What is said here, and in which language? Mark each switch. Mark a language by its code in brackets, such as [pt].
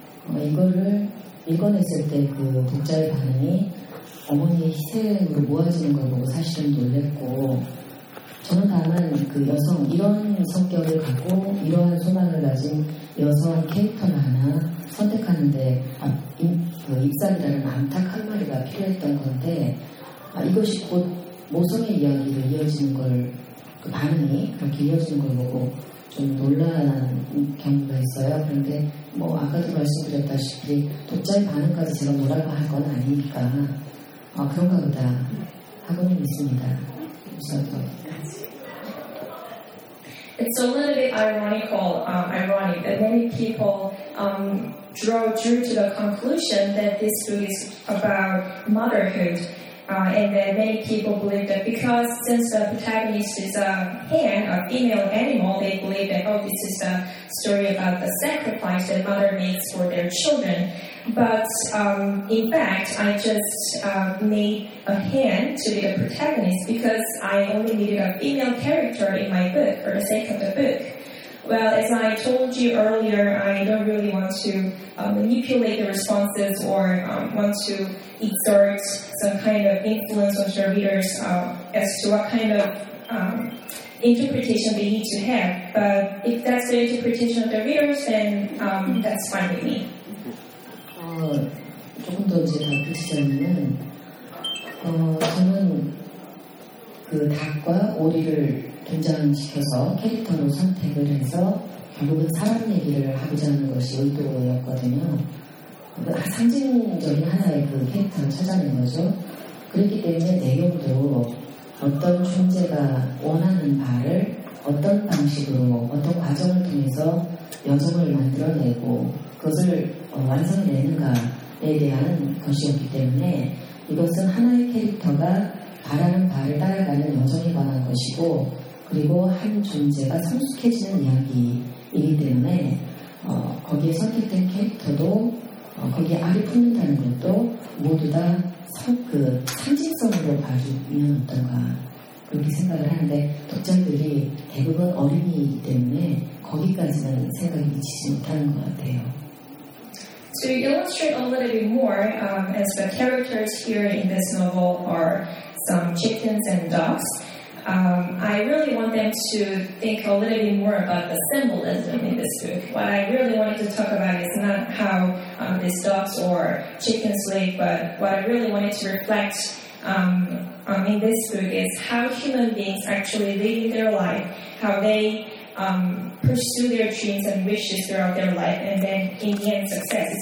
[ko] 이거를 읽어냈을 때 그 독자의 반응이 어머니의 희생으로 모아지는 걸 보고 사실은 놀랬고 저는 다만 그 여성 이런 성격을 갖고 이러한 소망을 가진 여성 캐릭터를 하나 선택하는데 입사리라는 안타까운 말이가 필요했던 건데 이것이 곧 모성의 이야기로 이어지는 걸 그 반응이 그렇게 이어지는 걸 보고 좀 놀란 경우가 있어요. 그런데 뭐 아까도 말씀드렸다시피 독자의 반응까지 제가 뭐라고 할 건 아니니까 그런가 보다 하고는 있습니다. 그래서 [en] It's a little bit ironical, ironic that many people drew to the conclusion that this book is about motherhood. And then many people believe that because since the protagonist is a female animal, they believe that, oh, this is a story about the sacrifice that mother makes for their children. But in fact, I just made a hen to be the protagonist because I only needed a female character in my book for the sake of the book. Well, as I told you earlier, I don't really want to manipulate the responses or want to exert some kind of influence on your readers as to what kind of interpretation they need to have. But if that's the interpretation of the readers, then that's fine with me. [ko] 조금 더 이제 밝히시자면 저는 그 닭과 오리를 등장시켜서 캐릭터로 선택을 해서 결국은 사람 얘기를 하고자 하는 것이 의도였거든요. 상징적인 하나의 그 캐릭터를 찾아낸 거죠. 그렇기 때문에 내용도 어떤 존재가 원하는 바를 어떤 방식으로 어떤 과정을 통해서 여정을 만들어내고 그것을 완성내는가에 대한 것이었기 때문에 이것은 하나의 캐릭터가 바라는 바를 따라가는 여정에 관한 것이고 그리고 한 존재가 성숙해지는 이야기이기 때문에 거기에 선택된 캐릭터도 거기에 알을 품는다는 것도 모두 다 그 상징성으로 봐주면 어떤가 그렇게 생각을 하는데 독자들이 대부분 어린이이기 때문에 거기까지는 생각이 미치지 못하는 것 같아요. [en] To illustrate a little bit more, as the characters here in this novel are some chickens and ducks, I really want them to think a little bit more about the symbolism in this book. What I really wanted to talk about is not how these ducks or chickens live, but what I really wanted to reflect in this book is how human beings actually live their life, how they pursue their dreams and wishes throughout their life, and then in the end, success.